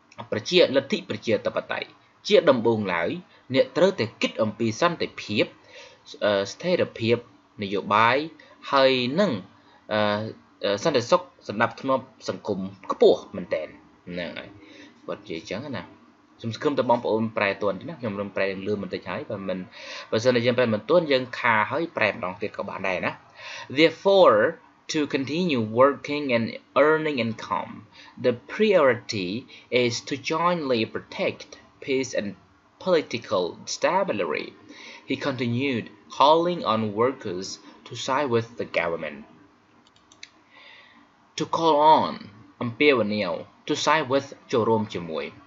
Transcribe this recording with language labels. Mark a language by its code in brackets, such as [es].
[km] ប្រជាលទ្ធិប្រជាធិបតេយ្យជាដំបូងឡើយអ្នកត្រូវតែគិតអំពីសន្តិភាពស្ថិរភាពនយោបាយហើយនឹងសន្តិសុខសម្រាប់ធ្នាប់សង្គមខ្ពស់មែនតើហ្នឹងហើយគាត់និយាយចឹងណាខ្ញុំសង្ឃឹមទៅបងប្អូនប្រែទួនណាខ្ញុំរំប្រែលឿនបន្តិចហើយបើមិនបើសិនតែយើងប្រែមិនទួនយើងខាហើយប្រែម្ដងទៀតក៏បានដែរណា [en] Therefore to continue working and earning income the priority is to jointly protectpeace and political stability. He continued calling on workers to side with the government. To call on, អំពាវនាវ to side with ចូលរួមជាមួយ.